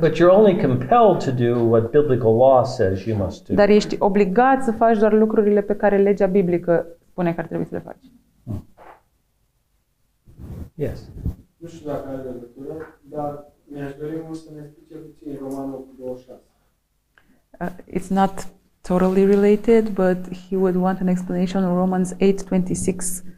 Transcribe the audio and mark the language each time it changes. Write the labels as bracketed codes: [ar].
[en] But you're only compelled to do what biblical law says you must do. [ro] Dar ești obligat să faci doar lucrurile pe care legea biblică spune că ar trebui să le faci. [en] Yes. [ro] Nu știu dacă are legătură, dar mi-aș dori mult să ne explice puțin Romanul 8:26. [en] It's not totally related, but he would want an explanation on Romans 8:26.